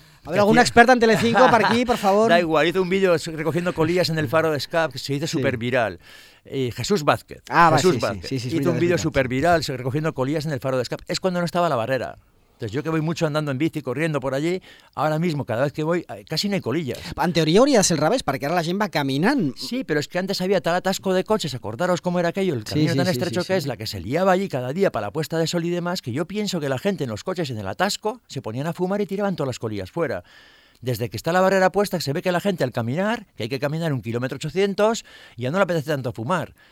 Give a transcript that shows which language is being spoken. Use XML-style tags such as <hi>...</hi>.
<es>A ver, algún experto en Telecinco para aquí, por favor. Da igual, hizo un vídeo recogiendo colillas en el faro de escape, que se hizo súper viral. Jesús Vázquez. Ah, Jesús Vázquez. Sí, hizo un vídeo súper viral recogiendo colillas en el faro de escape. Es cuando no estaba la barrera. Entonces, yo que voy mucho andando en bici, corriendo por allí, ahora mismo, cada vez que voy, casi no hay colillas.</es> <ca>En teoría hauria de ser al revés, perquè ara la gent va caminant.</ca> <es>Sí, pero es que antes había tal atasco de coches, acordaros cómo era aquello, el camino tan estrecho que es, la que se liaba allí cada día para la puesta de sol y demás, que yo pienso que la gente en los coches, en el atasco, se ponían a fumar y tiraban todas las colillas fuera. Desde que está la barrera puesta, se ve que la gente al caminar, que hay que caminar 1,8 km, ya no le apetece tanto fumar.</es>